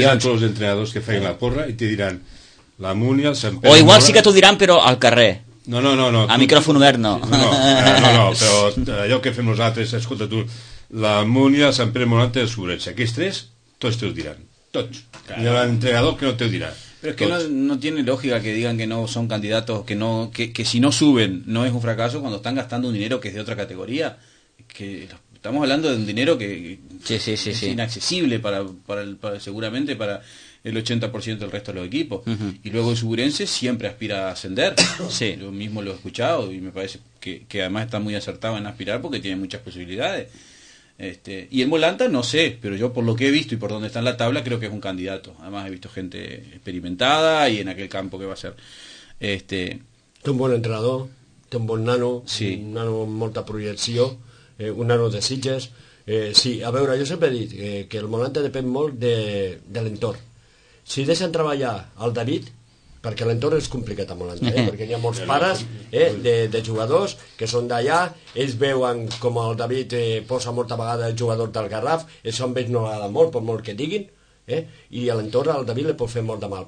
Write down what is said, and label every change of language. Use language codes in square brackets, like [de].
[ca] Tu que ets entre els entrenadors que feien la porra i t'hi diran la Muni, el Sant Pere... O igual sí que t'ho diran, però al carrer. No. A micròfon obert, no. No, però allò que fem nosaltres, escolta tu, la Muni, el Sant Pere Morant, el Sobretxe, aquests tres, tots te ho diran. Tots. Claro. I el entrenador que no te ho dirà. [es] Pero es que no tiene lógica que digan que no son candidatos, que si no suben no es un fracaso cuando están gastando un dinero que es de otra categoría, que estamos hablando de un dinero que sí. Es inaccesible para seguramente para el 80% del resto de los equipos. Uh-huh. Y luego el Suburense siempre aspira a ascender. Sí. Yo mismo lo he escuchado y me parece que además está muy acertado en aspirar porque tiene muchas posibilidades. Y el Molanta no sé, pero yo por lo que he visto y por donde está en la tabla creo que es un candidato. Además he visto gente experimentada y en aquel campo que va a ser. [ca] Té un buen entrenador, té un buen nano, sí. Un nano con molta proyección, un nano de Sitges. Sí, a veure, yo siempre he dit que el Molanta depèn molt de l'entorn. Si deixen treballar al David, perquè l'entorn és complicat a Molanta, perquè hi ha molts pares de jugadors que són d'allà, ells veuen com el David posa molta vegada el jugador del Garraf, això amb ells no l'agrada molt, per molt que diguin, i a l'entorn al David li pot fer molt de mal.